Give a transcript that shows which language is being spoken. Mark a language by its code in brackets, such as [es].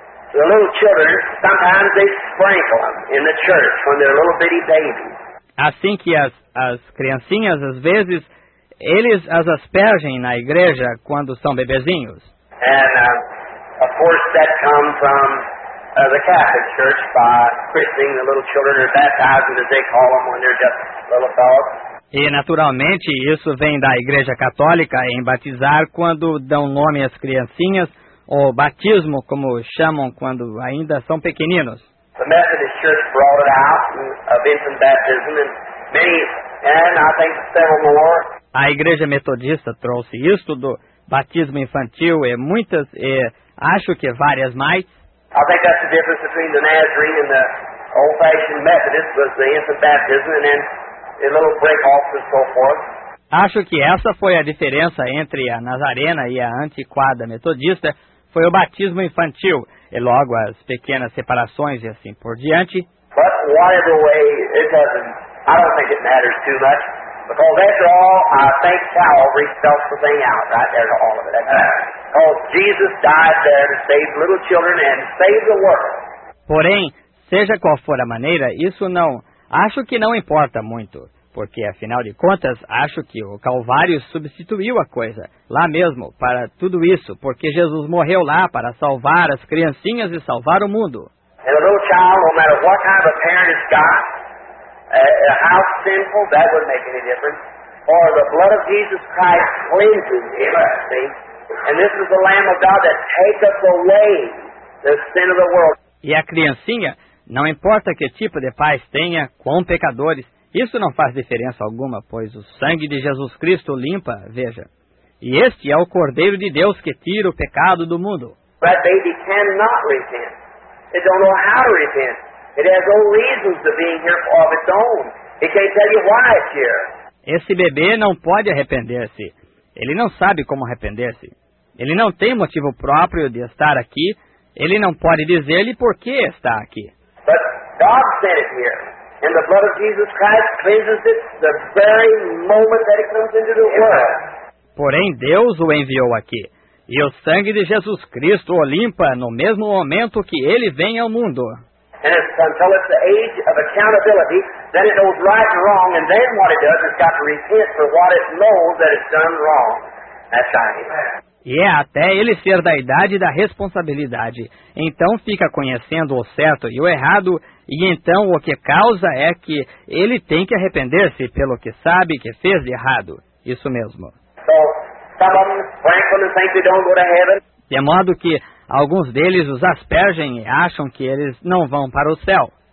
[en] The little children, sometimes they sprinkle them in the church when they're little bitty babies. [pt] Assim que as criancinhas, às vezes, eles as aspergem na igreja quando são bebezinhos. [en] And of course that comes from the Catholic Church by christening the little children or baptizing, as they call them, when they're just little dogs. [pt] E naturalmente isso vem da Igreja Católica em batizar quando dão nome às criancinhas, ou batismo, como chamam quando ainda são pequeninos. [en] The Methodist Church brought it out of infant baptism, and many, and I think several more. [pt] A Igreja Metodista trouxe isso do batismo infantil e muitas, e acho que várias mais. [en] I think that's the difference between the Nazarene and the old-fashioned Methodist was the infant baptism and then the little break-offs and so forth. [pt] Acho que essa foi a diferença entre a Nazarena e a antiquada Metodista, foi o batismo infantil e logo as pequenas separações e assim por diante. [en] But whatever way, it doesn't, I don't think it matters too much. Because after all, I think Calvary spells the thing out right there to all of it. Because Jesus died there to save little children and save the world. [pt] Porém, seja qual for a maneira, isso não, acho que não importa muito. Porque, afinal de contas, acho que o Calvário substituiu a coisa, lá mesmo, para tudo isso. Porque Jesus morreu lá para salvar as criancinhas e salvar o mundo. [en] And a little child, no matter what kind of parent it's got, how sinful, that wouldn't make any difference. For the blood of Jesus Christ cleanses him, see? And this is the Lamb of God that taketh away the sin of the world. [pt] E a criancinha, não importa que tipo de pais tenha, quão pecadores, isso não faz diferença alguma, pois o sangue de Jesus Cristo limpa, veja. E este é o Cordeiro de Deus que tira o pecado do mundo. [en] That baby cannot repent. It don't know how to repent. It has no reasons to being here of its own. It can't tell you why it's here. [pt] Esse bebê não pode arrepender-se. Ele não sabe como arrepender-se. Ele não tem motivo próprio de estar aqui. Ele não pode dizer-lhe por que está aqui. [en] But God sent it here. And the blood of Jesus Christ cleanses it the very moment that it comes into the world. [pt] Porém, Deus o enviou aqui. E o sangue de Jesus Cristo o limpa no mesmo momento que ele vem ao mundo. [en] And it's until it's the age of accountability, then it knows right and wrong, and then what it does is got to repent for what it knows that it's done wrong. That's right. [pt] E é até ele ser da idade da responsabilidade. Então fica conhecendo o certo e o errado, e então o que causa é que ele tem que arrepender-se pelo que sabe que fez de errado. Isso mesmo. [en] So, some of them frankly think they don't go to heaven. [pt] De modo que alguns deles os aspergem e acham que eles não vão para o céu.